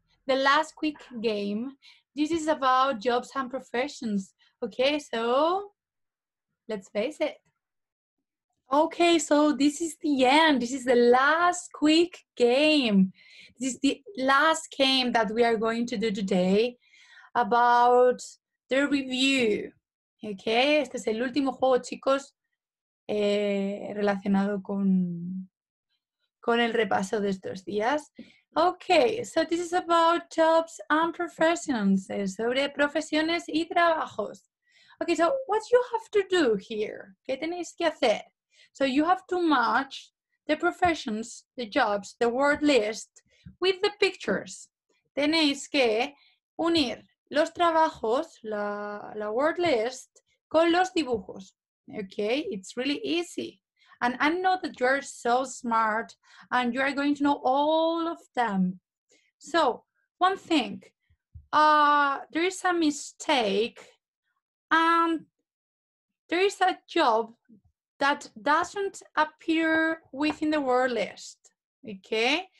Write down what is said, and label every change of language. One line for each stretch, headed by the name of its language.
English: The last quick game. This is about jobs and professions. Okay, so let's face it. Okay, so this is the end. This is the last quick game. This is the last game that we are going to do today about the review.
Spanish: Okay, este es el último juego, chicos, relacionado con el repaso de estos días.
English: Okay, so this is about jobs and professions,
Spanish: sobre profesiones y trabajos.
English: Okay, so what you have to do here?
Spanish: ¿Qué tenéis que hacer?
English: So you have to match the professions, the jobs, the word list with the pictures.
Spanish: Tenéis que unir los trabajos, la word list, con los dibujos.
English: Okay, it's really easy. And I know that you're so smart and you are going to know all of them. So, one thing, there is a mistake and there is a job that doesn't appear within the word list, okay?